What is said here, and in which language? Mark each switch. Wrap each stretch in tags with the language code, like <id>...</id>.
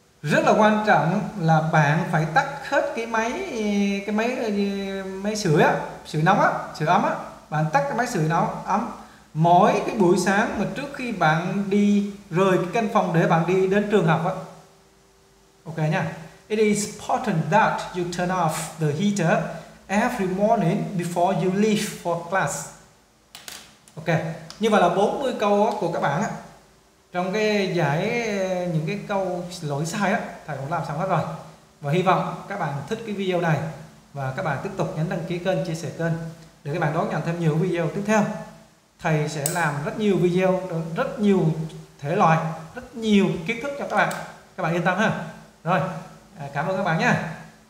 <vi>Rất là quan trọng là bạn phải tắt hết cái máy sưởi á, sưởi nóng á, sưởi ấm á. Bạn tắt cái máy sưởi nóng ấm mỗi cái buổi sáng mà trước khi bạn đi rời cái căn phòng để bạn đi đến trường học á. Ok nha.</vi> <en>It is important that you turn off the heater every morning before you leave for class.</en> <vi>Ok. Như vậy là 40 câu của các bạn á, trong cái giải những cái câu lỗi sai á, thầy cũng làm xong hết rồi. Và hy vọng các bạn thích cái video này và các bạn tiếp tục nhấn đăng ký kênh, chia sẻ kênh để các bạn đón nhận thêm nhiều video tiếp theo. Thầy sẽ làm rất nhiều video, rất nhiều thể loại, rất nhiều kiến thức cho các bạn. Các bạn yên tâm ha. Rồi, cảm ơn các bạn nha.</vi>